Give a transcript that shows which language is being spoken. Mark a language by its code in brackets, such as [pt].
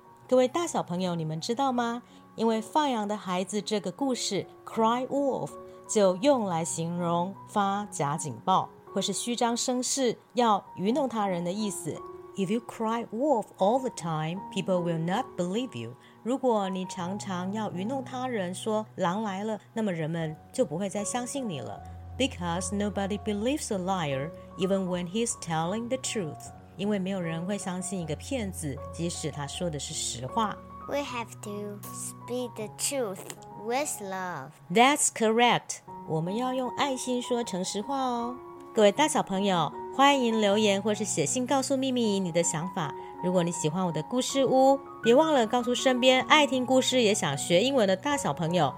[zh] 各位大小朋友，你们知道吗？因为放羊的孩子这个故事 [en] Cry Wolf [zh] 就用来形容发假警报或是虚张声势要愚弄他人的意思。 [en] If you cry wolf all the time, people will not believe you. [zh] 如果你常常要愚弄他人说狼来了，那么人们就不会再相信你了。 [en] Because nobody believes a liar, even when he's telling the truth. [zh] 因为没有人会相信一个骗子，即使他说的是实话。 [en] We have to speak the truth with love. That's correct. [zh] 我们要用爱心说诚实话哦。各位大小朋友，欢迎留言或是写信告诉咪咪你的想法。如果你喜欢我的故事屋，别忘了告诉身边爱听故事也想学英文的大小朋友。